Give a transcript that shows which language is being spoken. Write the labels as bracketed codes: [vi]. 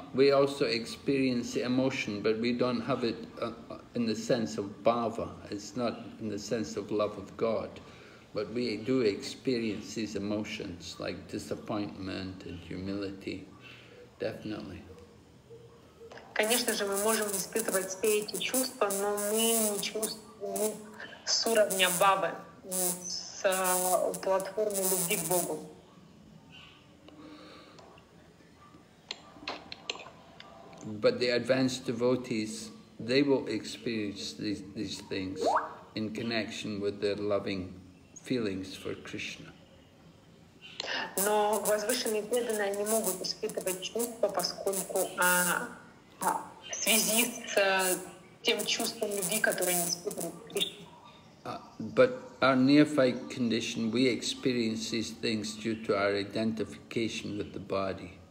[en] We also experience the emotion, but we don't have it in the sense of bhava. It's not in the sense of love of God. But we do experience these emotions, like disappointment and humility, definitely. [ru] Конечно же, мы можем испытывать все эти чувства, но мы не чувствуем с уровня бабы, с платформы любви к Богу. [en] But the advanced devotees, they will experience these things in connection with their loving feelings for Krishna. [ru] Но возвышенные преданные не могут испытывать чувства, поскольку в связи с тем чувством любви, которое они испытывают Кришна. [en] But our neophyte condition, we experience these things due to our identification with the body.